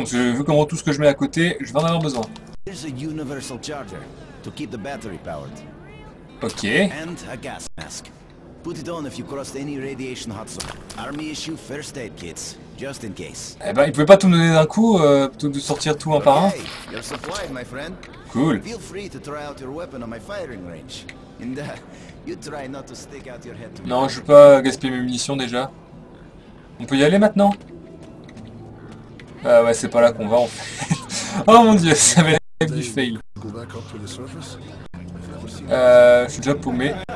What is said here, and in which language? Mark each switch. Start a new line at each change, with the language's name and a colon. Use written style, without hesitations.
French: Parce que vu qu'en gros tout ce que je mets à côté, je vais en avoir besoin.
English: There's a universal charger to keep the battery powered. Okay. And a gas mask. Put it on if you crossed any radiation hot zone. Army issue first aid kits, just in case.
French: Eh ben, il pouvait pas tout me donner d'un coup, de sortir tout un par un.
English: You're supplied, my friend. Cool. Feel free to try out your weapon on my firing range. And you try not to stick out your head.
French: Non, je veux pas gaspiller mes munitions déjà. On peut y aller maintenant. Ouais, c'est pas là qu'on va en fait. Oh mon dieu, ça va être du fail. Je suis déjà paumé.